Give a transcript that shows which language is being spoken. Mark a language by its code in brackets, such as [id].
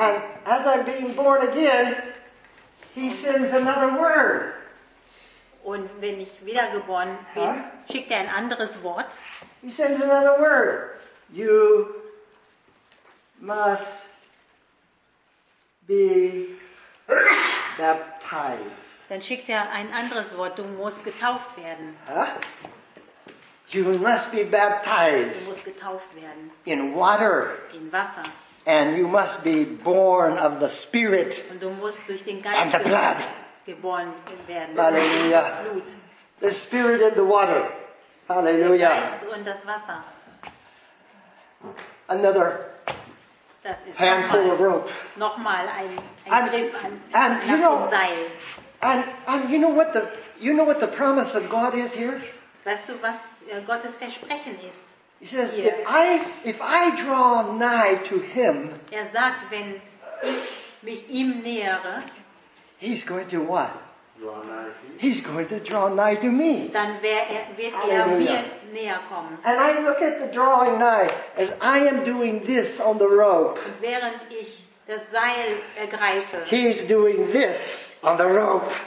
[en] And as I'm being born again, he sends another word. [de] Und wenn ich wiedergeboren bin, huh? Schickt ein anderes Wort. [en] He sends another word. You must be baptized. [de] Dann schickt ein anderes Wort. Du musst getauft werden. [en] Huh? You must be baptized. [de] Du musst getauft werden. [en] In water. [de] In Wasser. [en] And you must be born of the Spirit. [de] Und du musst durch den Geist [en] and the blood. [de] Geboren werden. [en] Hallelujah. [de] Blut. [en] The Spirit and the water. Hallelujah. [de] Und das Wasser. [en] Another [de] das ist [en] handful of rope. [de] Nochmal ein Griff an [en] you know, [de] dem Seil. [en] And you know what the promise of God is here? [de] Weißt du, was Gottes Versprechen ist? [en] He says, if I draw nigh to him, [de] er sagt, wenn ich mich ihm nähere, [en] he's going to what? Draw nigh to me. He's going to draw nigh to me. [de] Dann wird er mir näher kommen. [en] And I look at the drawing nigh as I am doing this on the rope. [de] Und während ich das Seil ergreife, [en] he's doing this on the rope.